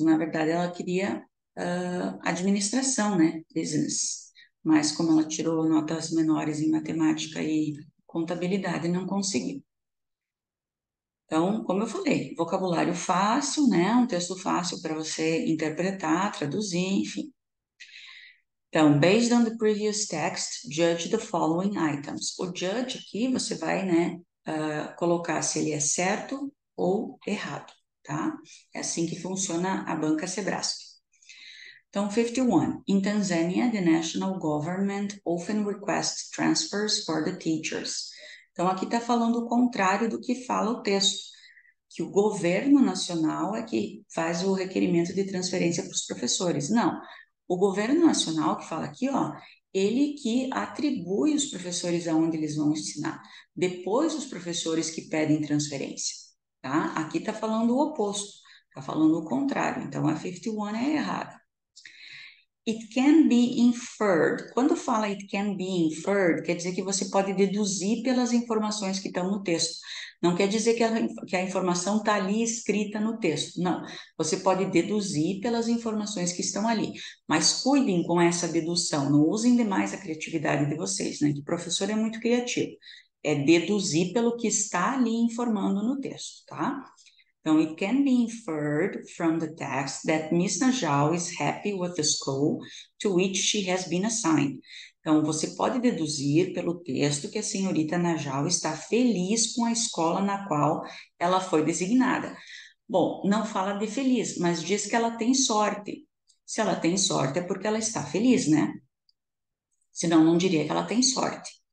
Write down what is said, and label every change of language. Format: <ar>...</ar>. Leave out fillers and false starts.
<pt>Na verdade, ela queria administração, né? Business. Mas como ela tirou notas menores em matemática e contabilidade não conseguiu. Então, como eu falei, vocabulário fácil, né? Um texto fácil para você interpretar, traduzir, enfim. Então,</pt> <en>based on the previous text, judge the following items.</en> <pt>O judge aqui, você vai, né, colocar se ele é certo ou errado, tá? É assim que funciona a banca Sebrae. Então, 51.</pt> <en>In Tanzania, the national government often requests transfers for the teachers.</en> <pt>Então, aqui está falando o contrário do que fala o texto, que o governo nacional é que faz o requerimento de transferência para os professores. Não. O governo nacional que fala aqui, ó, ele que atribui os professores aonde eles vão ensinar, depois os professores que pedem transferência, tá? Aqui tá falando o oposto, tá falando o contrário, então a 51 é errada.</pt> <en>It can be inferred,</en> <pt>quando fala</pt> <en>it can be inferred,</en> <pt>quer dizer que você pode deduzir pelas informações que estão no texto, não quer dizer que a informação está ali escrita no texto, não, você pode deduzir pelas informações que estão ali, mas cuidem com essa dedução, não usem demais a criatividade de vocês, né, que professor é muito criativo, é deduzir pelo que está ali informando no texto, tá? Então,</pt> <en>it can be inferred from the text that Miss Najal is happy with the school to which she has been assigned.</en> <pt>Então, você pode deduzir pelo texto que a senhorita Najal está feliz com a escola na qual ela foi designada. Bom, não fala de feliz, mas diz que ela tem sorte. Se ela tem sorte, é porque ela está feliz, né? Senão, não diria que ela tem sorte.</pt>